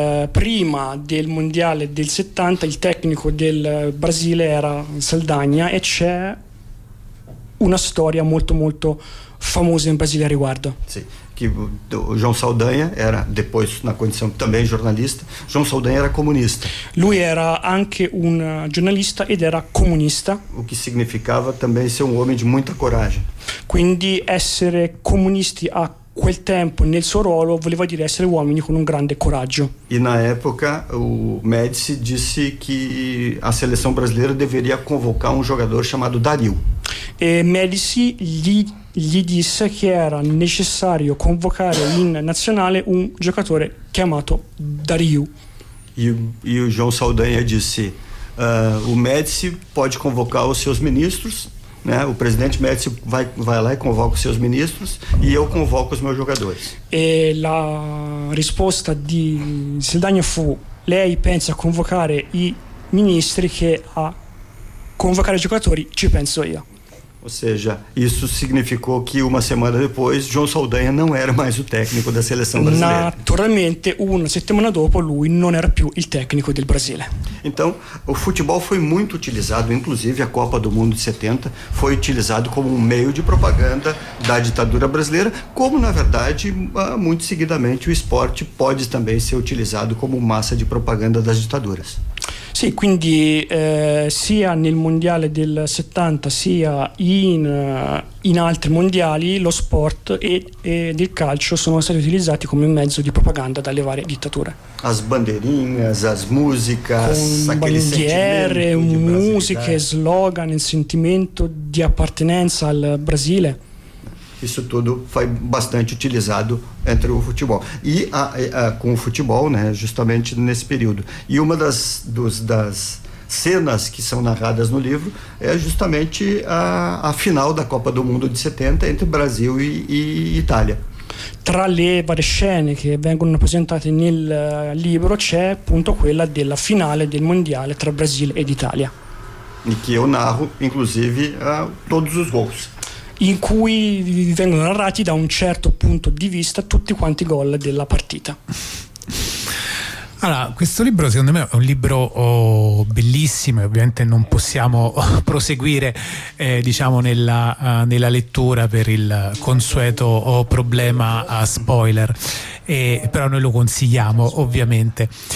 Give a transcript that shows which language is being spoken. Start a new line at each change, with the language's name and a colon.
Italian: Prima del mondiale del 70 il tecnico del Brasile era Saldanha, e c'è una storia molto molto famosa in Brasile a riguardo.
Portuguese: Sì, che João Saldanha era, depois na condição também jornalista, João Saldanha era comunista.
Italian: Lui era anche un giornalista ed era comunista. O che significava
Portuguese: também ser
Italian: un uomo di molta coraggio. Quindi essere comunisti a quel tempo nel suo ruolo voleva dire essere uomini con un grande coraggio.
Portuguese: E na época o Médici disse que a seleção brasileira deveria convocar um jogador chamado Dario.
Italian: E Médici gli gli disse che era necessario convocare in nazionale un giocatore chiamato Dariu.
Portuguese: E o João Saldanha disse: o Médici pode convocar os seus ministros, né? O presidente Médici vai lá e convoca os seus ministros e eu convoco os meus jogadores. E a resposta de Saldanha
Italian: fu: lei pensa convocare i ministri che a convocare i giocatori ci penso io.
Portuguese: Ou seja, isso significou que uma semana depois, João Saldanha não era mais o técnico da seleção brasileira.
Italian: Naturalmente,
Portuguese: uma semana
Italian: dopo, lui
Portuguese: não
Italian: era più il tecnico del Brasile.
Portuguese: Então, o futebol foi muito utilizado, inclusive a Copa do Mundo de 70 foi utilizado como um meio de propaganda da ditadura brasileira, como na verdade, muito seguidamente, o esporte pode também ser utilizado como massa de propaganda das ditaduras.
Italian: Sì, quindi sia nel mondiale del 70 sia in altri mondiali lo sport e il calcio sono stati utilizzati come mezzo di propaganda dalle varie dittature.
Portuguese: As bandeirinhas, as músicas,
Italian: bandiere, musiche, slogan, il sentimento di appartenenza al Brasile.
Portuguese: Isso tudo foi bastante utilizado entre o futebol. E com o futebol, né, justamente nesse período. E uma das cenas que são narradas no livro é justamente a final da Copa do Mundo de 70 entre Brasil e Itália.
Italian: Tra le varie scene che vengono presentate nel libro c'è appunto quella della finale del Mondiale tra Brasile ed Italia. E che io narro, inclusive,
Portuguese: todos os gols.
Italian: In cui vengono narrati da un certo punto di vista tutti quanti i gol della partita. Allora, questo libro secondo me è un libro bellissimo e ovviamente non possiamo proseguire diciamo nella lettura per il consueto problema spoiler, però noi lo consigliamo ovviamente.